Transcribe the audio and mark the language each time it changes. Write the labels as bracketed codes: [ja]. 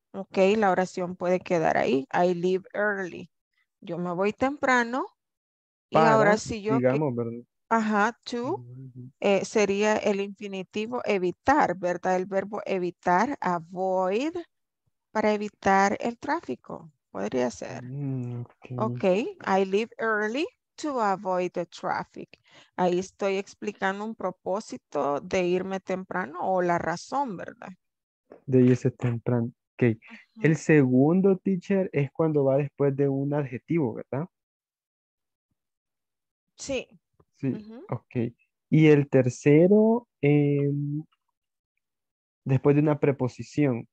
[es] Ok, la oración puede quedar ahí. [en] I leave early. [es] Yo me voy temprano. Para, y ahora si yo, digamos, ¿verdad? Ajá, to, sería el infinitivo evitar, ¿verdad? El verbo evitar, avoid, para evitar el tráfico, podría ser. [en] Okay. Okay, I leave early to avoid the traffic. [es] Ahí estoy explicando un propósito de irme temprano o la razón, ¿verdad? De irse temprano, okay. Uh-huh. El segundo, teacher, es cuando va después de un adjetivo, ¿verdad? Sí. Sí, uh-huh. Okay. Y el tercero, después de una preposición.